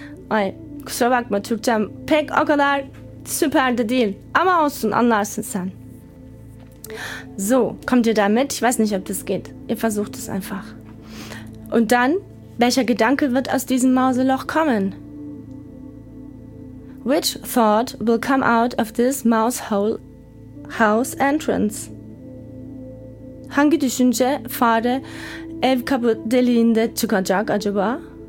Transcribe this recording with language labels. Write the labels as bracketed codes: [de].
[tr] Ay kusura bakma Türkçem pek o kadar süper de değil. Ama olsun anlarsın sen. [de] So, kommt ihr damit? Ich weiß nicht, ob das geht. Ihr versucht es einfach. Und dann, welcher Gedanke wird aus diesem Mauseloch kommen? [en] Which thought will come out of this mouse hole house entrance? [tr] Hangi düşünce fare ev kapı deliğinde çıkacak acaba?